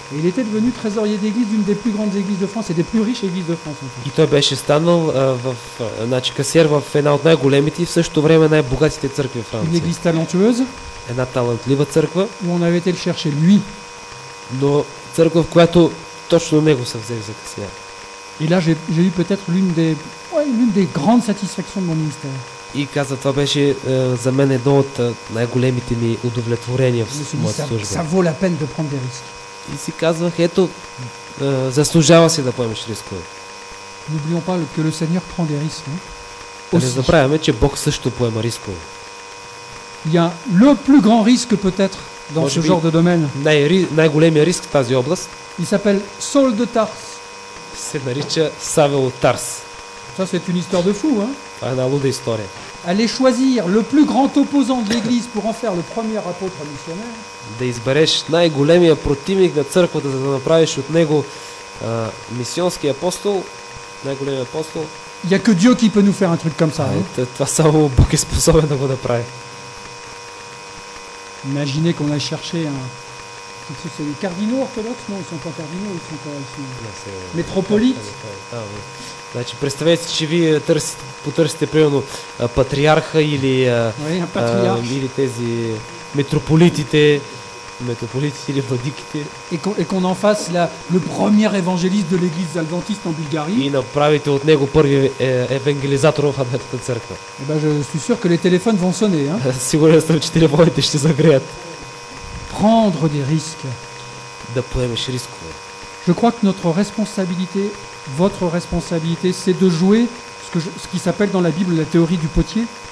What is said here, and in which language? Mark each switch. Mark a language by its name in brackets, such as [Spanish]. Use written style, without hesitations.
[French] Il était devenu trésorier d'église d'une des plus grandes églises de France et des plus riches églises de France. [Bulgarian] И той беше станал касиер в една от най-големите и в същото време най-богатите църкви в Франция. [French] Une église talentueuse. [Bulgarian] Една талантлива църква. [French] On avait été chercher lui. [Bulgarian] Но църква, в която точно него са взели за касиер. [French] Et là j'ai eu peut-être l'une des grandes satisfactions de mon ministère. [Bulgarian] И каза, това беше за мен едно от най-големите ми удовлетворения в моята служба. [French] Ça vaut la peine de prendre des risques. [Bulgarian] И си казвах, ето, заслужава си да поемеш рискове. [French] N'oublions pas que le Seigneur prend des risques. [Bulgarian] Да не забравяме, че Бог също поема рискове. [French] Il y a le plus grand risque peut-être dans ce genre de domaine. [Bulgarian] Най-големият риск в тази област. [French] Il s'appelle Saul de Tars. [Bulgarian] Се нарича Савел от Тарс. [French] Ça c'est une histoire de fou, hein. [Bulgarian] Една луда история. [French] Aller choisir le plus grand opposant de l'église pour en faire le premier apôtre missionnaire. [Bulgarian] Да избереш най-големия противник на църквата, за да направиш от него мисионски апостол, най-големият апостол. [French] Il y a que Dieu qui peut nous faire un truc comme ça. [Bulgarian] Това само Бог е способен да го направи. [French] Imaginez qu'on a cherché un. C'est des cardinaux orthodoxes, non, ils sont pas cardinaux, ils sont pas ici. Métropolites. [Bulgarian] Значи, представете, че вие потърсите, примерно, патриарха или, или тези метрополитите или владиките. [French] Et qu'on en fasse le premier évangéliste de l'église adventiste en Bulgarie. [Bulgarian] И направите от него първи евангелизатор в адвентната църква. [French] Et ben, je suis sûr que les téléphones vont sonner. [Bulgarian] Сигурен съм, че телефоните ще загреят. [French] Prendre des risques. [Bulgarian] Да поемеш рискове. [French] Je crois que notre responsabilité, votre responsabilité, c'est de jouer ce qui s'appelle dans la Bible la théorie du potier.